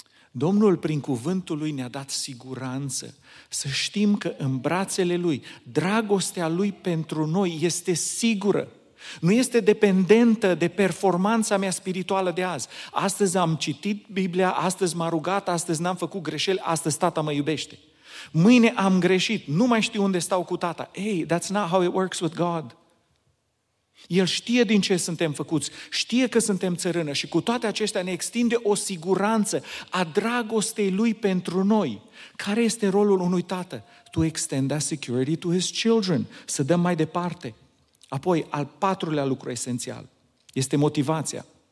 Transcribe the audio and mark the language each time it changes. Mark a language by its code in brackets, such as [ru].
[ro] Domnul prin cuvântul lui ne-a dat siguranță. Să știm că în brațele lui, dragostea lui pentru noi este sigură. Nu este dependentă de performanța mea spirituală de azi. Astăzi am citit Biblia, astăzi m-a rugat, astăzi n-am făcut greșeli, astăzi tata mă iubește. Mâine am greșit, nu mai știu unde stau cu tata. [en] Hey, that's not how it works with God. [ro] El știe din ce suntem făcuți, știe că suntem țărână și cu toate acestea ne extinde o siguranță a dragostei lui pentru noi. Care este rolul unui tată? [en] To extend that security to his children, [ro] să dăm mai departe. Apoi, al patrulea lucru esențial este motivația.